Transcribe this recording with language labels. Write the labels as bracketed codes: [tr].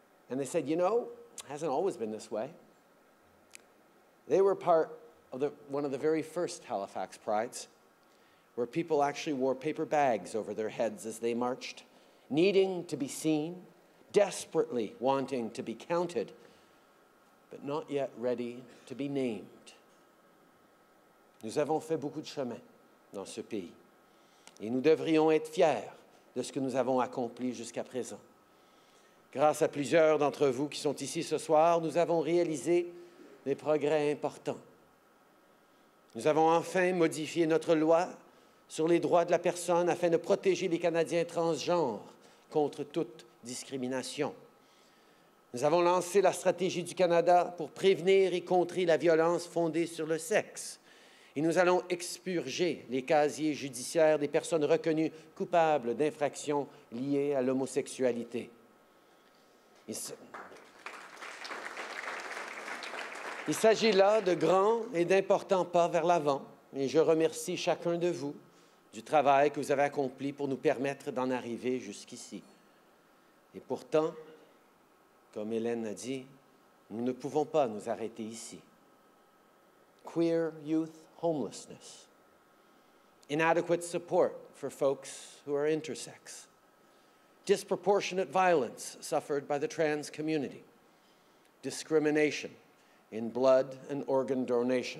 [en] And they said, you know, it hasn't always been this way. They were part of one of the very first Halifax Prides, where people actually wore paper bags over their heads as they marched, needing to be seen, desperately wanting to be counted, but not yet ready to be named. [fr] Nous avons fait beaucoup de chemin dans ce pays, et nous devrions être fiers de ce que nous avons accompli jusqu'à présent. Grâce à plusieurs d'entre vous qui sont ici ce soir, nous avons réalisé des progrès importants. Nous avons enfin modifié notre loi sur les droits de la personne afin de protéger les Canadiens transgenres contre toute discrimination. Nous avons lancé la stratégie du Canada pour prévenir et contrer la violence fondée sur le sexe. Et nous allons expurger les casiers judiciaires des personnes reconnues coupables d'infractions liées à l'homosexualité. Il s'agit là de grands et d'importants pas vers l'avant, et je remercie chacun de vous du travail que vous avez accompli pour nous permettre d'en arriver jusqu'ici. Et pourtant, comme Hélène a dit, nous ne pouvons pas nous arrêter ici. [en] Queer youth homelessness. Inadequate support for folks who are intersex. Disproportionate violence suffered by the trans community. Discrimination in blood and organ donation.